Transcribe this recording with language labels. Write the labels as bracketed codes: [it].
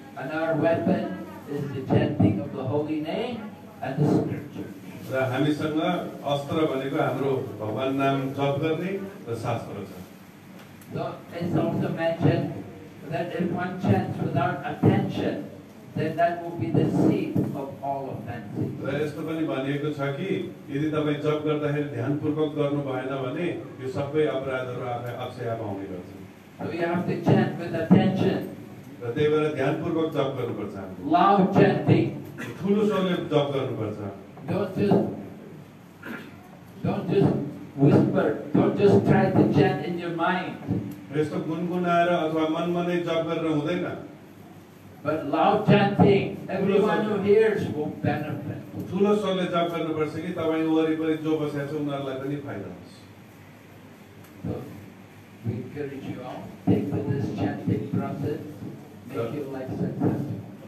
[en] And our weapon is the chanting of the holy name and the scripture. [ne] र हामीसँग अस्त्र भनेको हाम्रो भगवान नाम जप गर्ने र शास्त्र छ. [en] So it's also mentioned that if one chants without attention, then that will be the seed of all offenses. [ne] र यस्तो पनि भनिएको छ कि यदि तपाईँ जप गर्दाखेरि ध्यानपूर्वक गर्नु भएन भने यो सबै अपराधहरू आफै अक्षया पाउने गर्छ. [en] So you have to chant with attention. [ne] त्यही भएर ध्यानपूर्वक जप गर्नुपर्छ. [en] Loud chanting. [ne] ठुलो स्वरले जप गर्नुपर्छ. [en] Don't just whisper. Don't just try to chant in your mind. [ne] यस्तो गुनगुनाएर अथवा मनमनै जप गरेर हुँदैन. [en] But loud chanting, everyone who hears will benefit. [ne] ठुलो स्वरले जप गर्नुपर्छ कि तपाईँ वरिपरि जो बसेको छ उनीहरूलाई पनि फाइदा होस्. [en] We encourage you all, take to this chanting process, make your life successful.